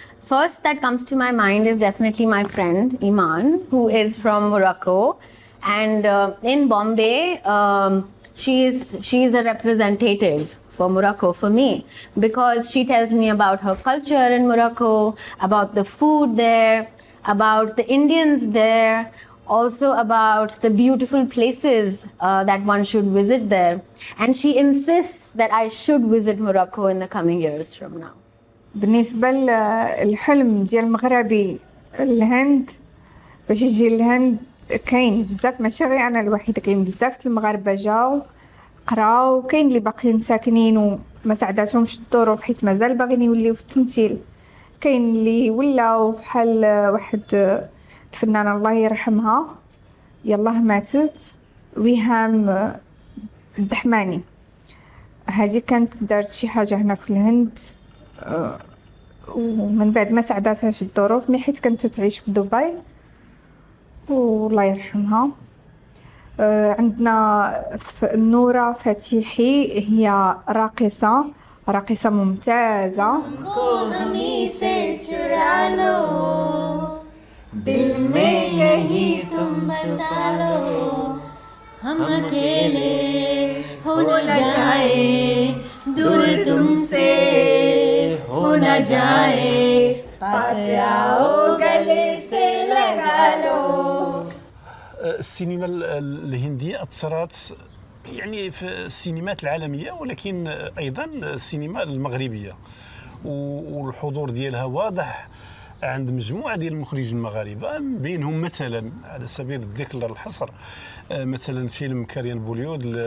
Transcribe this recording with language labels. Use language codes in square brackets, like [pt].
[en] First that comes to my mind is definitely my friend Iman who is from Morocco and in Bombay she is a representative for Morocco for me because she tells me about her culture in Morocco, about the food there, about the Indians there, also about the beautiful places that one should visit there. And she insists that I should visit Morocco in the coming years from now. [ar] بالنسبة للحلم ديال مغربي الهند باش يجي الهند كاين بزاف ماشي غير انا الوحيده كاين بزاف المغاربه جاوا قراو كاين اللي باقيين ساكنين وما ساعداتهمش الظروف حيت مازال باغيين يوليو في التمثيل كاين اللي ولاو بحال واحد الفنانه الله يرحمها يلاه ماتت ويهام الدحماني هذه كانت دارت شي حاجه هنا في الهند ومن بعد ما ساعداتهاش الظروف مي حيت كانت تعيش في دبي والله يرحمها عندنا نورة فتيحي هي راقصة راقصة ممتازة [ur] دل میں کہی تم بسا لو ہم اکیلے ہو نہ جائے دور تم سے ہو نہ جائے پاس آؤ گلے سے لگا لو [ar] السينما الهندية أثرت يعني في السينمات العالمية ولكن أيضا السينما المغربية والحضور ديالها واضح عند مجموعة ديال المخرجين المغاربة بينهم مثلا على سبيل الذكر الحصر مثلا فيلم كاريان بوليود